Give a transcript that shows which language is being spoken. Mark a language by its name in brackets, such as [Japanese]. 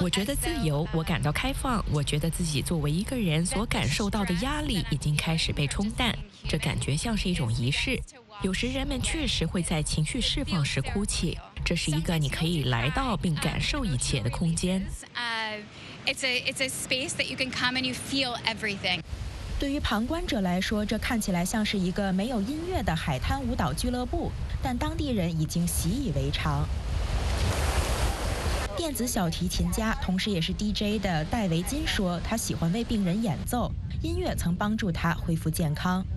[Chinese] 我觉得自由，我感到开放。我觉得自己作为一个人所感受到的压力已经开始被冲淡。这感觉像是一种仪式。有时人们确实会在情绪释放时哭泣。这是一个你可以来到并感受一切的空间。 [English] It's a space that you can come and you feel everything. [Chinese] 对于旁观者来说，这看起来像是一个没有音乐的海滩舞蹈俱乐部，但当地人已经习以为常。电子小提琴家同时也是 DJ 的戴维金说，他喜欢为病人演奏，音乐曾帮助他恢复健康。